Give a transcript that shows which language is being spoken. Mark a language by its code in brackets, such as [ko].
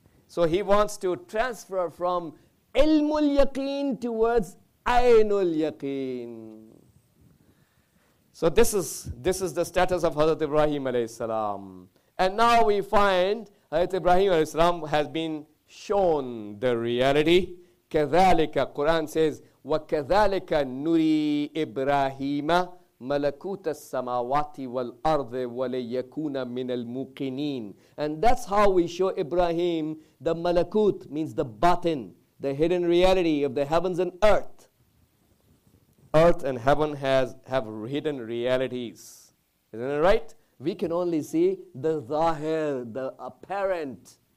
[en] So he wants to transfer from ilmul yaqeen towards aynul yaqeen. So this is the status of Hazrat Ibrahim alayhi salam. And now we find Hazrat Ibrahim alayhi salam has been shown the reality. Kadhalika, Quran says, [ar] وَكَذَلِكَ نُرِي إِبْرَاهِيمَ مَلَكُوتَ السَّمَاوَاتِ وَالْأَرْضِ وَلَيَكُونَ مِنَ الْمُوقِنِينَ. [en] And that's how we show Ibrahim the malakut, means the batin, the hidden reality of the heavens and earth. Earth and heaven have hidden realities. Isn't it right? We can only see the zahir, the apparent.